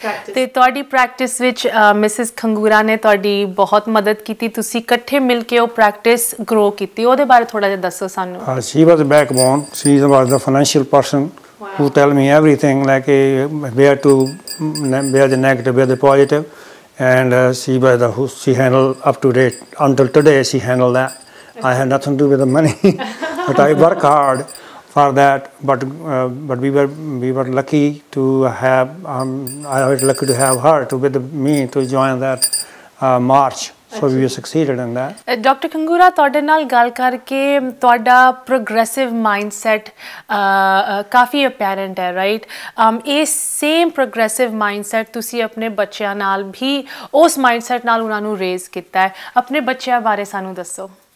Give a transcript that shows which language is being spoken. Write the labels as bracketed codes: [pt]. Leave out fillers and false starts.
[pa] ਅਤੇ ਤੁਹਾਡੀ ਪ੍ਰੈਕਟਿਸ ਵਿੱਚ ਮਿਸਿਜ਼ ਖੰਗੂਰਾ ਨੇ ਤੁਹਾਡੀ ਬਹੁਤ ਮਦਦ ਕੀਤੀ, ਤੁਸੀਂ ਇਕੱਠੇ ਮਿਲ ਕੇ ਉਹ ਪ੍ਰੈਕਟਿਸ ਗਰੋ ਕੀਤੀ, ਉਹਦੇ ਬਾਰੇ ਥੋੜ੍ਹਾ ਜਿਹਾ ਦੱਸੋ ਸਾਨੂੰ। [en] she was backbone, she was the financial person to tell me everything, [pa] ਲੈ ਕੇ [en] Where to where they negative, where they positive, and she was the who she handle up to date until today she handle that. I have nothing to with the money, but I work hard for that, but we were lucky to have I was lucky to have her to with me to join that march. Achoo. So we succeeded in that. Dr. [pa] Khangura, ਤੁਹਾਡੇ ਨਾਲ ਗੱਲ ਕਰਕੇ ਤੁਹਾਡਾ progressive mindset ਕਾਫੀ ਅਪੈਰੈਂਟ ਹੈ, right? ਇਹ same progressive mindset ਤੁਸੀਂ ਆਪਣੇ ਬੱਚਿਆਂ ਨਾਲ ਵੀ, ਉਸ ਮਾਈਂਡਸੈਟ ਨਾਲ ਉਹਨਾਂ ਨੂੰ ਰੇਜ਼ ਕੀਤਾ ਹੈ। ਆਪਣੇ ਬੱਚਿਆਂ ਬਾਰੇ ਸਾਨੂੰ ਦੱਸੋ।